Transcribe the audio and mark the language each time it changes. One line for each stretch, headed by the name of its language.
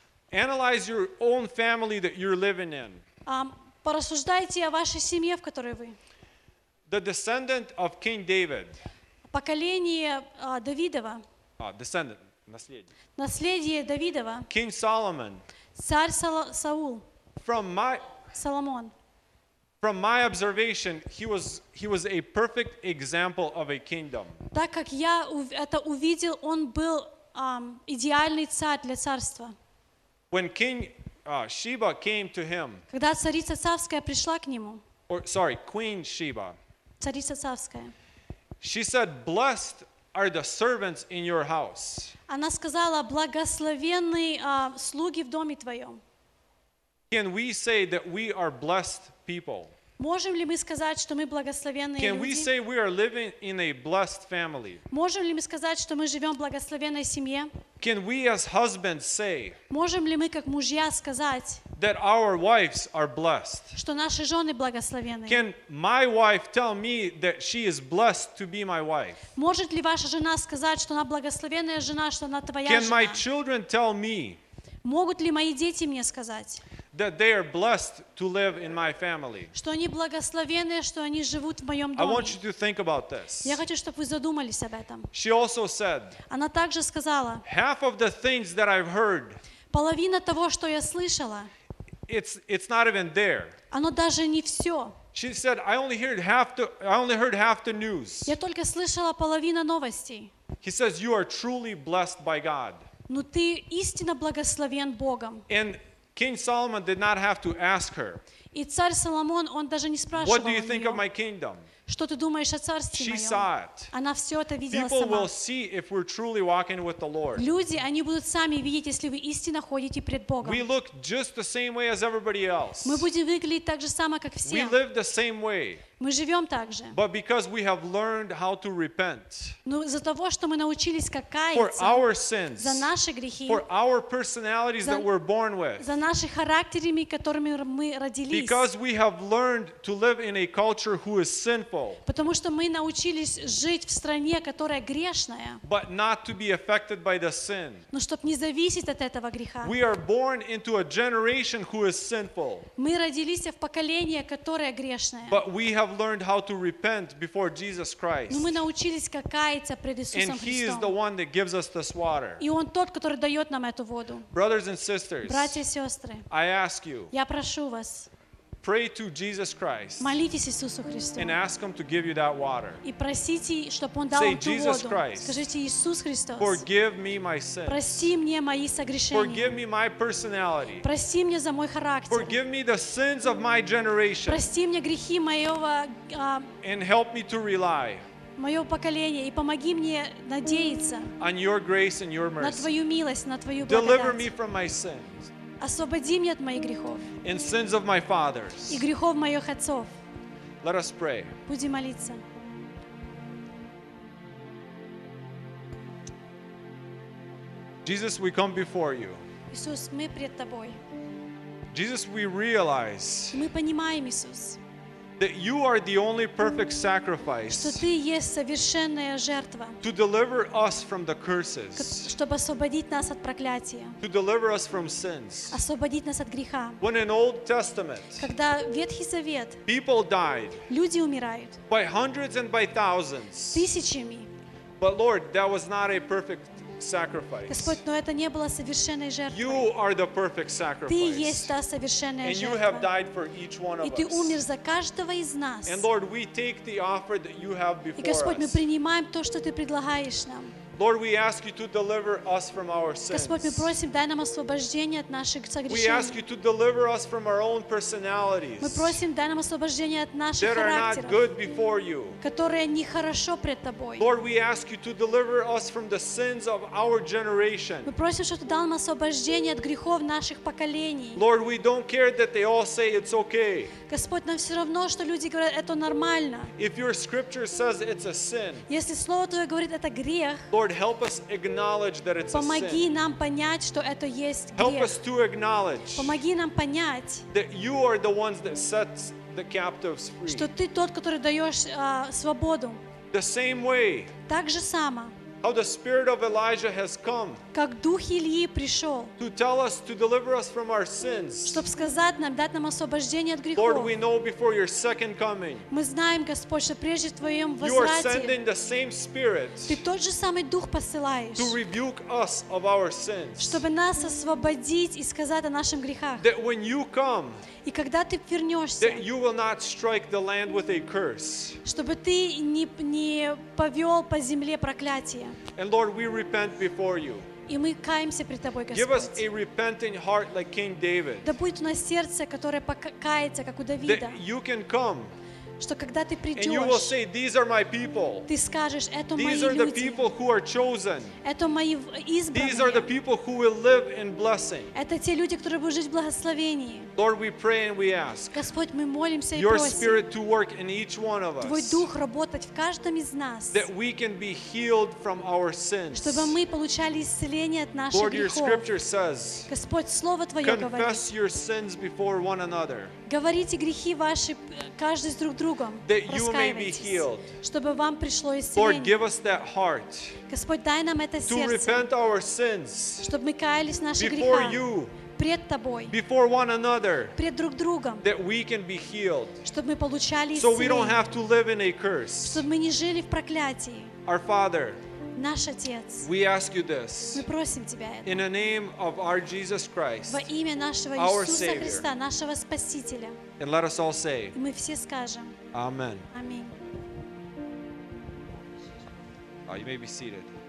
English: Analyze your own family that you're living in.
Russian: Порассуждайте о вашей семье, в которой вы.
English: The descendant of King David.
Russian: Поколение Давидова. Descendant, наследие. Наследие Давидова.
English: King Solomon.
Russian: Царь Саул. Соломон.
English: From my observation, he was a perfect example of a kingdom.
Russian: Так как я это увидел, он был идеальный царь для царства.
English: When King Sheba came to him.
Russian: Когда царица Савская пришла к нему.
English: Queen Sheba.
Russian: Царица Савская.
English: She said, "Blessed are the servants in your house."
Russian: Она сказала: "Благословенны слуги в доме твоем."
English: Can we say that we are blessed people?
Russian: Можем ли мы сказать, что мы благословенные люди?
English: Can we say we are living in a blessed family?
Russian: Можем ли мы сказать, что мы живем в благословенной семье?
English: Can we as husbands say?
Russian: Можем ли мы как мужья сказать?
English: That our wives are blessed.
Russian: Что наши жены благословенны.
English: Can my wife tell me that she is blessed to be my wife?
Russian: Может ли ваша жена сказать, что она благословенная жена, что она твоя жена?
English: Can my children tell me?
Russian: Могут ли мои дети мне сказать?
English: That they are blessed to live in my family.
Russian: Что они благословенны, что они живут в моем доме.
English: I want you to think about this.
Russian: Я хочу, чтобы вы задумались об этом.
English: She also said.
Russian: Она также сказала.
English: Half of the things that I've heard.
Russian: Половина того, что я слышала.
English: It's not even there.
Russian: Оно даже не все.
English: She said, I only heard half the news.
Russian: Я только слышала половину новостей.
English: He says, you are truly blessed by God.
Russian: Но ты истинно благословен Богом.
English: And King Solomon did not have to ask her.
Russian: И царь Соломон, он даже не спрашивал.
English: What do you think of my kingdom?
Russian: Что ты думаешь о царстве
English: She
Russian: моем?
English: Saw it.
Russian: Она все это видела
English: People
Russian: сама.
English: Will see if we're truly walking with the Lord.
Russian: Люди, они будут сами видеть, если вы истинно ходите пред Богом.
English: We look just the same way as everybody else.
Russian: Мы будем выглядеть так же само, как все.
English: We live the same way.
Russian: Мы живем так же.
English: But because we have learned how to repent.
Russian: Но за того, что мы научились как каяться.
English: For our sins.
Russian: За наши грехи.
English: For our personalities that we're born with.
Russian: За наши характерами, которыми мы родились.
English: Because we have learned to live in a culture who is sinful.
Russian: Потому что мы научились жить в стране, которая грешная.
English: But not to be affected by the sin.
Russian: Но чтобы не зависеть от этого греха.
English: We are born into a generation who is sinful.
Russian: Мы родились в поколение, которое грешное.
English: But we have learned how to repent before Jesus Christ.
Russian: Мы научились каяться пред Иисусом Христом.
English: And He is the one that gives us this water.
Russian: И Он тот, который дает нам эту воду.
English: Brothers and sisters,
Russian: братья и сестры,
English: I ask you.
Russian: Я прошу вас.
English: Pray to Jesus Christ.
Russian: Молитесь Иисусу Христу.
English: And ask Him to give you that water.
Russian: И просите, чтобы Он дал
English: Say,
Russian: вам ту воду.
English: Say Jesus Christ.
Russian: Скажите Иисус Христос.
English: Forgive me my sins.
Russian: Прости мне мои согрешения.
English: Forgive me my personality.
Russian: Прости мне за мой характер.
English: Forgive me the sins of my generation.
Russian: Прости мне грехи моего.
English: And help me to rely.
Russian: Мое поколение и помоги мне надеяться.
English: On Your grace and Your mercy.
Russian: На Твою милость, на Твою благодать.
English: Deliver me from my sins.
Russian: Освободи меня от моих грехов.
English: And sins of my fathers.
Russian: И грехов моих отцов.
English: Let us pray.
Russian: Будем молиться.
English: Jesus, we come before you.
Russian: Иисус, мы пред тобой.
English: Jesus, we realize.
Russian: Мы понимаем, Иисус.
English: That you are the only perfect sacrifice.
Russian: Что ты есть совершенная жертва.
English: To deliver us from the curses.
Russian: Чтобы освободить нас от проклятия.
English: To deliver us from sins.
Russian: Освободить нас от греха.
English: When in Old Testament.
Russian: Когда Ветхий Завет.
English: People died.
Russian: Люди умирают.
English: By hundreds and by thousands.
Russian: Тысячами.
English: But Lord, that was not a perfect sacrifice.
Russian: Господь, но это не было совершенной жертвой.
English: You are the perfect sacrifice.
Russian: Ты есть та совершенная жертва.
English: And you have died for each one of us.
Russian: И ты умер за каждого из нас.
English: And Lord, we take the offer that you have before us.
Russian: И Господь, мы принимаем то, что ты предлагаешь нам.
English: Lord, we ask you to deliver us from our sins.
Russian: Господь, мы просим, дай нам освобождение от наших согрешений.
English: We ask you to deliver us from our own personalities.
Russian: Мы просим, дай нам освобождение от наших характеров.
English: That are not good before you.
Russian: Которые не хорошо пред тобой.
English: Lord, we ask you to deliver us from the sins of our generation.
Russian: Мы просим, чтобы ты дал нам освобождение от грехов наших поколений.
English: Lord, we don't care that they all say it's okay.
Russian: Господь, нам все равно, что люди говорят, это нормально.
English: If your scripture says it's a sin.
Russian: Если слово твое говорит, это грех.
English: Lord, help us acknowledge that it's
Russian: Помоги
English: a sin.
Russian: Нам понять, что это есть грех.
English: Help us to acknowledge.
Russian: Помоги нам понять.
English: That you are the ones that sets the captives free.
Russian: Что ты тот, который даешь свободу.
English: The same way.
Russian: Так же само.
English: How the spirit of Elijah has come.
Russian: Как дух Илии пришел.
English: To tell us to deliver us from our sins.
Russian: Чтоб сказать нам, дать нам освобождение от грехов.
English: Lord, we know before your second coming.
Russian: Мы знаем, Господь, что прежде твоем
English: возврате. You are sending the same spirit.
Russian: Ты тот же самый дух посылаешь.
English: To rebuke us of our sins.
Russian: Чтобы нас освободить и сказать о наших грехах.
English: That when you come.
Russian: И когда ты вернешься.
English: That you will not strike the land with a curse.
Russian: Чтобы ты не повел по земле проклятие.
English: And Lord, we repent before you.
Russian: И мы каемся пред тобой, Господь.
English: Give us a repenting heart like King David.
Russian: Да будет у нас сердце, которое покается, как у Давида.
English: That you can come.
Russian: Что когда ты придешь,
English: and you will say, "These are my people."
Russian: Ты скажешь, это мои люди.
English: These are the people who are chosen.
Russian: Это мои избранные.
English: These are the people who will live in blessing.
Russian: Это те люди, которые будут жить в благословении.
English: Lord, we pray and we ask.
Russian: Господь, мы молимся и просим.
English: Your spirit to work in each one of us.
Russian: Твой дух работать в каждом из нас.
English: That we can be healed from our sins.
Russian: Чтобы мы получали исцеление от наших
English: Lord,
Russian: грехов.
English: Your scripture says.
Russian: Господь, слово твое говорит.
English: Confess your sins before one another.
Russian: Говорите грехи ваши каждый с друг другом.
English: That you may be healed.
Russian: Чтобы вам пришло исцеление.
English: Lord, give us that heart.
Russian: Господь, дай нам это сердце.
English: To repent our sins.
Russian: Чтобы мы каялись в наших грехах.
English: Before you.
Russian: Пред тобой.
English: Before one another.
Russian: Пред друг другом.
English: That we can be healed.
Russian: Чтобы мы получали исцеление.
English: So we don't have to live in a curse.
Russian: Чтобы мы не жили в проклятии.
English: Our Father.
Russian: Наш Отец.
English: We ask you this.
Russian: Мы просим тебя это.
English: In the name of our Jesus Christ.
Russian: Во имя нашего Иисуса Христа, нашего Спасителя.
English: And let us all say.
Russian: И мы все скажем.
English: Amen.
Russian: Аминь.
English: You may be seated.